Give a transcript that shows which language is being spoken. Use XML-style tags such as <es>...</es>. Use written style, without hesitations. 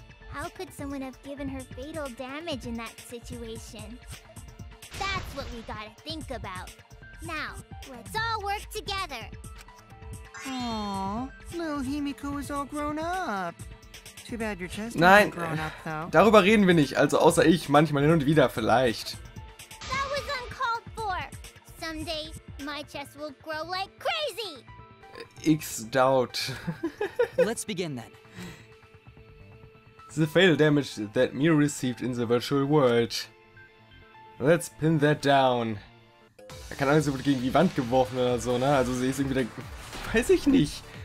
<en>How could someone have given her fatal damage in that situation? That's what we gotta think about. Now, let's all work together. Aww, little Himiko is all grown up. Too bad your chest isn't grown up, though.</en> <de>Darüber reden wir nicht, also außer ich, manchmal hin und wieder vielleicht.</de> <en>That was uncalled for. Someday, my chest will grow like crazy. X doubt. Let's begin then. The fatal damage that Mew received in the virtual world. Let's pin that down.</en> <de>Keine Ahnung, sie wurde gegen die Wand geworfen oder so, ne? Also sie ist irgendwie da... Weiß ich nicht.</de>